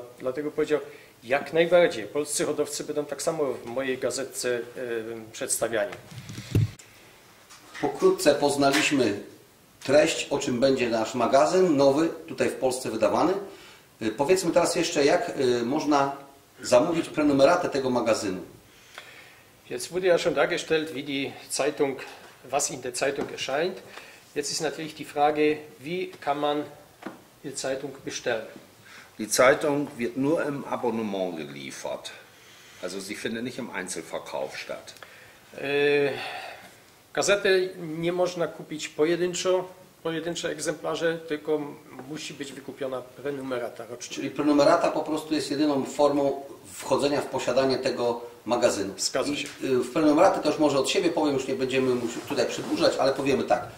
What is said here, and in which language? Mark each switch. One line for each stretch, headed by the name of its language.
Polish: Dlatego powiedział, jak najbardziej, polscy hodowcy będą tak samo w mojej gazetce przedstawiani. Pokrótce poznaliśmy treść, o czym będzie nasz magazyn, nowy, tutaj w Polsce wydawany. Powiedzmy teraz jeszcze, jak można zamówić prenumeratę tego magazynu.
German: Jetzt wurde ja schon dargestellt, wie die Zeitung, was in der Zeitung erscheint. Jetzt ist natürlich die Frage, wie kann man die Zeitung bestellen? Die Zeitung wird nur im Abonnement geliefert. Also sie findet nicht im Einzelverkauf statt.
Polish: Gazetę nie można kupić pojedyncze egzemplarze, tylko musi być wykupiona prenumerata rocznie. Czyli prenumerata po prostu jest jedyną formą wchodzenia w posiadanie tego magazynu. Zgadza się. W prenumeratę to już może od siebie powiem, już nie będziemy tutaj przedłużać, ale powiemy tak.